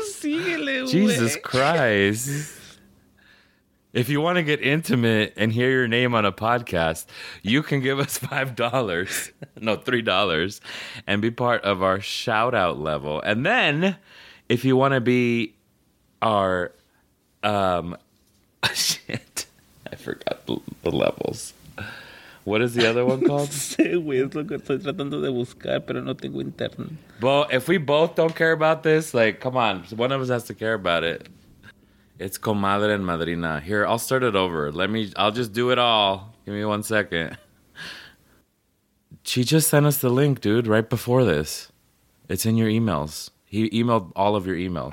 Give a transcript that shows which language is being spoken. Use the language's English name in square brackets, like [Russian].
[English] Jesus Christ. If you want to get intimate and hear your name on a podcast, you can give us $5, no, $3, and be part of our shout-out level. And then, if you want to be our, shit, I forgot the levels. What is the other one called? [Spanish] Sí, güey, es lo que estoy tratando de buscar, pero no tengo internet. [English] Well, if we both don't care about this, like, come on, one of us has to care about it. It's comadre and madrina. Here, I'll start it over. I'll just do it all. Give me 1 second. She just sent us the link, dude, right before this. It's in your emails. He emailed all of your emails.